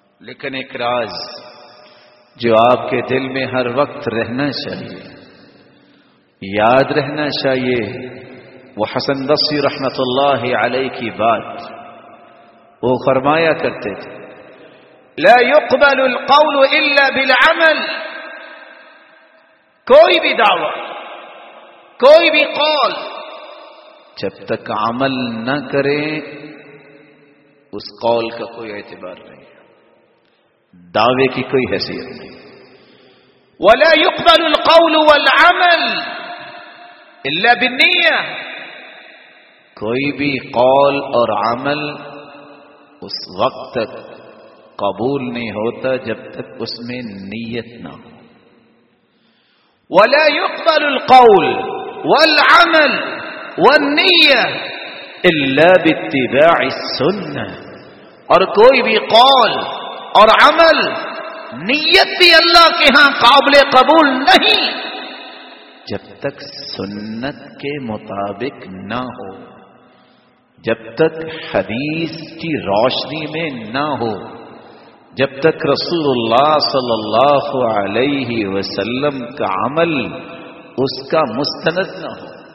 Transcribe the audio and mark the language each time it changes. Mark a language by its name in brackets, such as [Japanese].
[Urdu] لیکن ایک راز جو آپ کے دل میں ہر وقت رہنا چاہیے, یاد رہنا چاہیے, وہ حسن بصری رحمۃ اللہ علیہ کی بات, وہ فرمایا کرتے تھے, [Arabic] لا يقبل القول الا بالعمل. [Urdu] کوئی بھی دعویٰ, کوئی بھی قول جب تک عمل نہ کریں اس قول کا کوئی اعتبار نہیں, دعوے کی کوئی حیثیت نہیں. [Arabic] ولا يقبل القول والعمل الا بالنية. [Urdu] کوئی بھی قول اور عمل اس وقت تک قبول نہیں ہوتا جب تک اس میں نیت نہ ہو. [Arabic] ولا يقبل القول والعمل والنية الا باتباع السنة. [Urdu] اور کوئی بھی قول اور عمل نیت بھی اللہ کے ہاں قابل قبول نہیں جب تک سنت کے مطابق نہ ہو, جب تک حدیث کی روشنی میں نہ ہو, جب تک رسول اللہ صلی اللہ علیہ وسلم کا عمل اس کا مستند نہ ہو.